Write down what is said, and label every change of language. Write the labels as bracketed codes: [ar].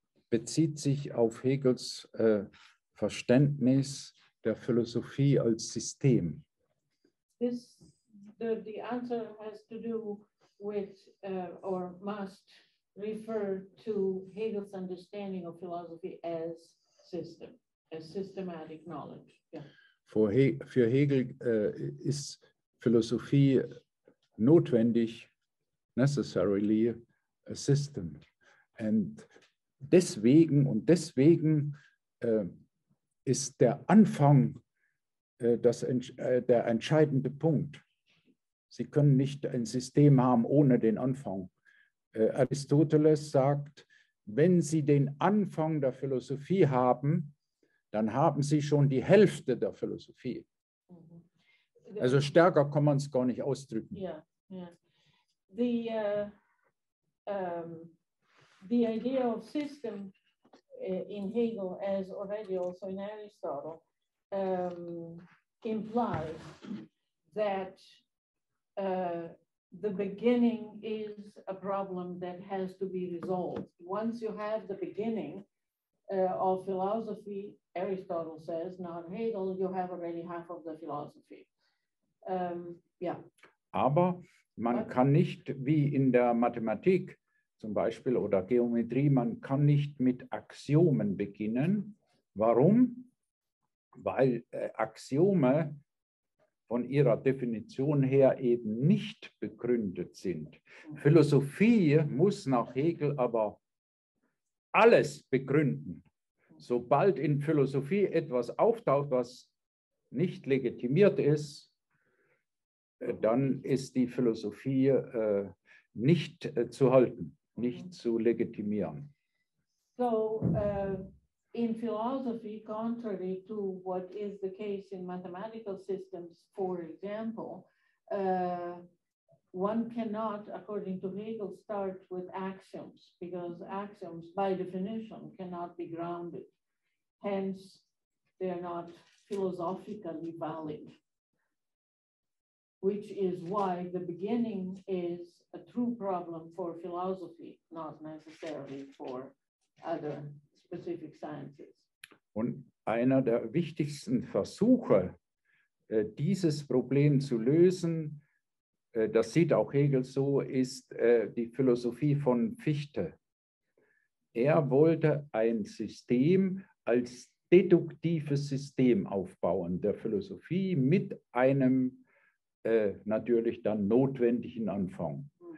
[de] bezieht sich auf Hegels Verständnis der Philosophie als System. [en] This, the answer has to do with or must refer to Hegel's understanding of philosophy as system, as systematic knowledge. Yeah. [de] Für Hegel ist Philosophie notwendig, [en] necessarily a system. And [de] deswegen und deswegen ist der Anfang der entscheidende Punkt. Sie können nicht ein System haben ohne den Anfang. Aristoteles sagt, wenn Sie den Anfang der Philosophie haben, dann haben Sie schon die Hälfte der Philosophie. Also stärker kann man es gar nicht ausdrücken. [en] Yeah, yeah. The idea of system in Hegel, as already also in Aristotle, implies that the beginning is a problem that has to be resolved. Once you have the beginning of philosophy, Aristotle says, not Hegel, you have already half of the philosophy. [de] Aber man kann nicht, wie in der Mathematik zum Beispiel oder Geometrie, man kann nicht mit Axiomen beginnen. Warum? Weil Axiome von ihrer Definition her eben nicht begründet sind. Philosophie muss nach Hegel aber alles begründen. Sobald in Philosophie etwas auftaucht, was nicht legitimiert ist, dann ist die Philosophie nicht zu halten, nicht zu legitimieren. [en] So, in philosophy, contrary to what is the case in mathematical systems, for example, one cannot, according to Hegel, start with axioms, because axioms, by definition, cannot be grounded. Hence, they are not philosophically valid, which is why the beginning is a true problem for philosophy, not necessarily for other specific sciences. [de] Und einer der wichtigsten Versuche, dieses Problem zu lösen, das sieht auch Hegel so, ist die Philosophie von Fichte. Er wollte ein System als deduktives System aufbauen, der Philosophie mit einem natürlich dann notwendigen Anfang.